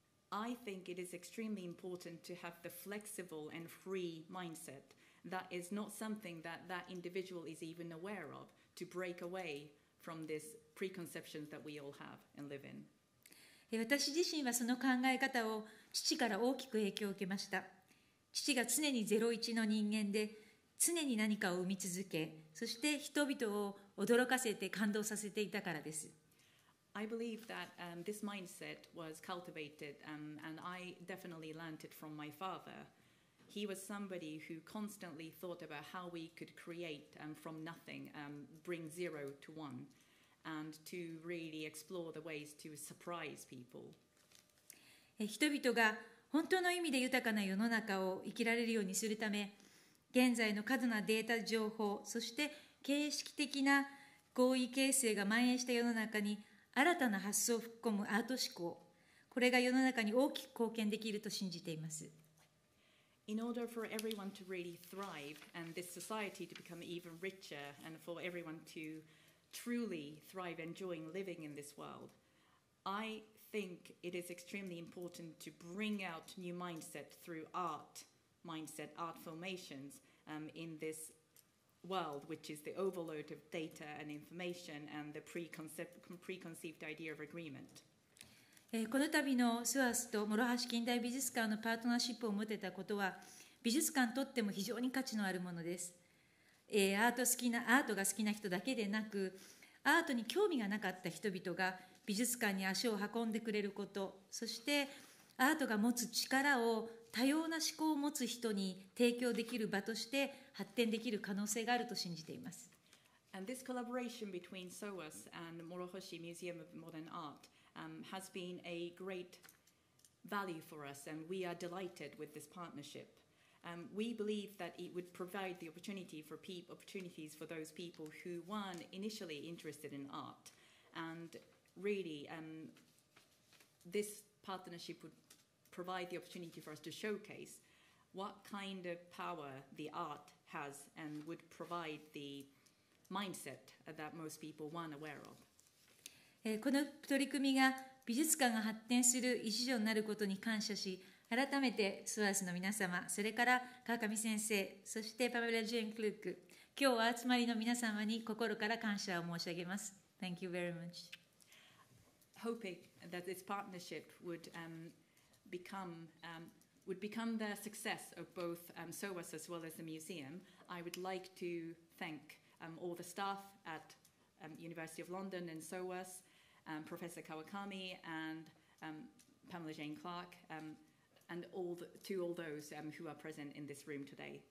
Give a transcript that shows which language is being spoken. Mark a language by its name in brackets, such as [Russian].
[English] I think it is extremely important to have the flexible and free mindset. That is not something that that individual is even aware of, to break away from this preconception that we all have and live in. [Japanese] 私自身はその考え方を父から大きく影響を受けました。父が常にゼロ一の人間で、常に何かを生み続け、そして人々を驚かせて感動させていたからです。 [English] I believe that this mindset was cultivated and I definitely learned it from my father. He was somebody who constantly thought about how we could create from nothing, bring zero to one, and to really explore the ways to surprise people. [Japanese] 人々が本当の意味で豊かな世の中を生きられるようにするため、現在の過度なデータ情報、そして形式的な合意形成が蔓延した世の中に新たな発想を吹き込むアート思考、これが世の中に大きく貢献できると信じています。 [English] In order for everyone to really thrive and this society to become even richer and for everyone to truly thrive enjoying living in this world, I think it is extremely important to bring out new mindset through art mindset, art formations in this world, which is the overload of data and information and the preconceived idea of agreement. [Japanese] この度の SOAS と諸橋近代美術館のパートナーシップを持てたことは、美術館にとっても非常に価値のあるものです。アートが好きな人だけでなく、アートに興味がなかった人々が美術館に足を運んでくれること、そしてアートが持つ力を多様な思考を持つ人に提供できる場として発展できる可能性があると信じています。 [English] And this collaboration between SOAS and Morohashi Museum of Modern Art, has been a great value for us, and we are delighted with this partnership. We believe that it would provide the opportunity for opportunities for those people who weren't initially interested in art. And really, this partnership would provide the opportunity for us to showcase what kind of power the art has and would provide the mindset that most people weren't aware of. [Japanese] この取り組みが美術館が発展する一助になることに感謝し、改めてスワースの皆様、それから川上先生、そしてパメラ・ジェーン・クルーク、今日は集まりの皆様に心から感謝を申し上げます。 [English] Thank you very much. Hoping that this partnership would, would become the success of both SOAS as well as the museum, I would like to thank all the staff at University of London and SOAS, Professor Kawakami and Pamela Jane Clark, and all the, to all those who are present in this room today.